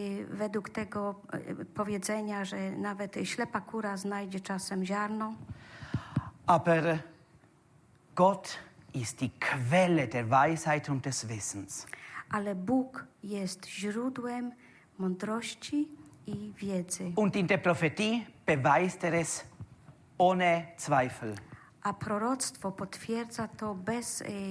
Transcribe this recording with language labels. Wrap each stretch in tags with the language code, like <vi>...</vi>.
<pl>Według tego powiedzenia, że nawet ślepa kura znajdzie czasem ziarno.</pl> <de>Aber Gott ist die Quelle der Weisheit und des Wissens.</de> <pl>Ale Bóg jest źródłem mądrości i wiedzy.</pl> <de>Und in der Prophetie beweist es ohne Zweifel.</de> <pl>A proroctwo potwierdza to bez</pl>